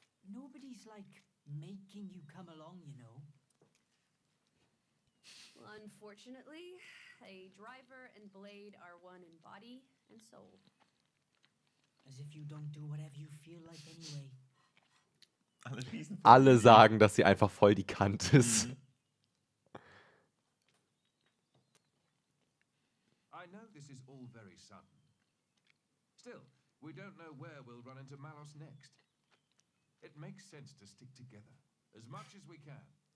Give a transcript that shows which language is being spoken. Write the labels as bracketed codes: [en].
[en] Nobody's like making you come along, you know. Well, unfortunately, a driver and Blade are one in body and soul. As if you don't do whatever you feel like anyway. [de] Alle sagen, dass sie einfach voll die Kante ist. [en] I know this is all very sudden. Still, we don't know where we'll run into Malos next. It makes sense to stick together as much as we can.